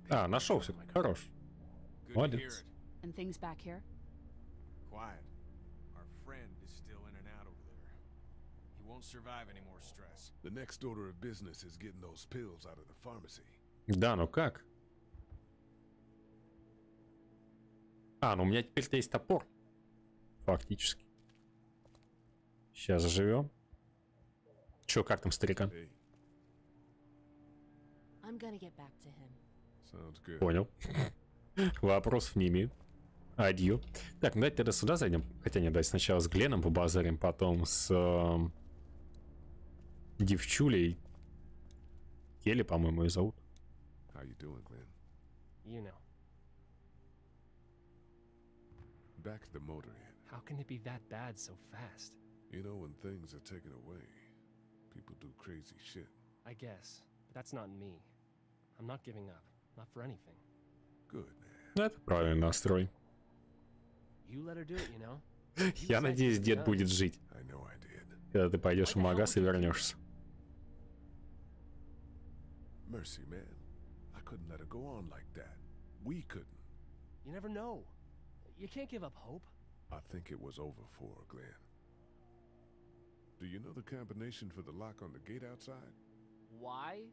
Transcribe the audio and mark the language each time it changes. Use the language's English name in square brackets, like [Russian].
[Russian] pet. А, нашёл всё. Хорош. Молодец. [English] And things back here? Quiet. Our friend is still in and out over there. He won't survive any more stress. The next order of business is getting those pills out of the pharmacy. [Russian] Да, ну как? А, ну у меня теперь-то есть топор. Фактически. Сейчас заживём. Чё, как там старикан? [English] I'm gonna get back to him. Sounds good. [Russian] Понял. Вопросов не имею. Адью. Так, ну давайте тогда сюда зайдем. Хотя нет, давайте сначала с Гленом побазарим, потом с девчулей. Келли, по-моему, ее зовут. [English] How you doing, Glenn? You know. Back to the motor inn. How can it be that bad so fast? You know, when things are taken away, people do crazy shit. I guess. But that's not me. I'm not giving up, not for anything. Good. [Russian] Это правильный настрой. [English] You let her do it, you know? [Russian] Я надеюсь, дед будет жить. Когда ты пойдешь в магаз и вернешься. [English] Mercy, man. I couldn't let her go on like that. We couldn't. You never know. You can't give up hope. I think it was over for her, Glenn. Do you know the combination for the lock on the gate outside? Why?